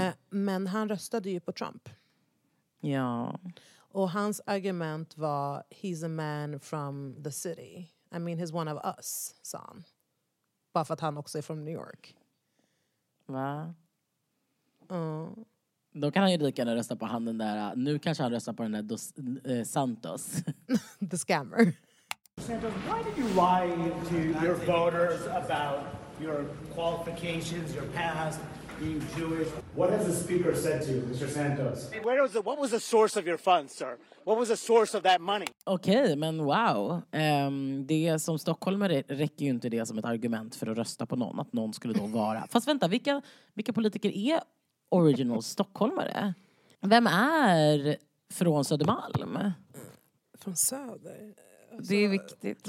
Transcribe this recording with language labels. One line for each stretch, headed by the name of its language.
Swedish: Men han röstade ju på Trump. Ja. Och hans argument var,
English: he's a man from the city. I mean, he's one of us,
Swedish: sa han. Bara för att han också är från New York. Va? Ja. Då kan han ju lika gärna rösta på han den där. Nu kanske han röstar på den där Santos.
English: The scammer. Santos, why did you lie to your voters about your qualifications, your past, being Jewish. What has the speaker said to you, Mr. Santos? Where was the, what was the source of your funds, sir? What was the source of that money?
Swedish: Okej, men wow. Det som stockholmare räcker ju inte det som ett argument för att rösta på någon. Att någon skulle då vara... Fast vänta, vilka politiker är original stockholmare? Vem är från Södermalm? Från Söder? Alltså, det är viktigt.